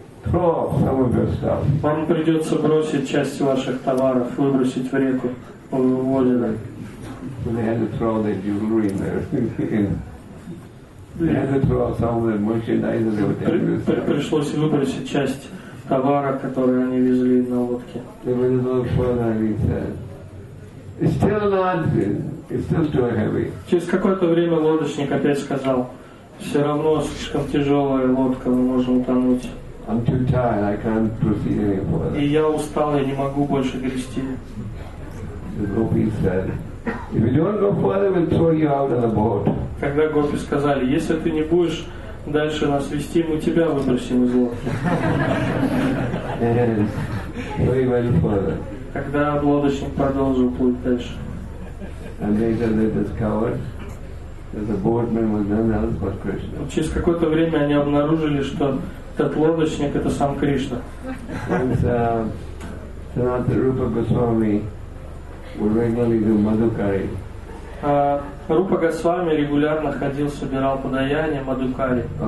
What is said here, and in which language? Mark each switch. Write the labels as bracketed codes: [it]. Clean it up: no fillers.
[ru] Вам придется бросить часть ваших товаров, выбросить в реку, в озеро. [en] They had to throw the jewelry in there. They had to throw some of the merchandise they were taking. [ru] Пришлось выбросить часть товара, который они везли на лодке. [en] They went a little further and he said, "It's still not. It's still too heavy." [ru] Через какое-то время лодочник опять сказал, "Все равно слишком тяжелая лодка, мы можем утонуть." [en] I'm too tired. I can't proceed any further. [ru] И я устал, я не могу больше грести. [en] The Gopi said, "If you don't go further, we'll throw you out of the boat." [ru] Когда Гопи сказали, если ты не будешь дальше нас вести, мы тебя выбросим из лодки. [en] Yes. So he went further. [ru] Когда лодочник продолжил плыть дальше. [en] And they said they discovered that the boatman was none else but Krishna. [ru] Через какое-то время они обнаружили, что этот лодочник — это сам Кришна. Санатана Рупа Госвами регулярно делал мадукари. Рупа Госвами регулярно ходил, собирал подаяние мадукари.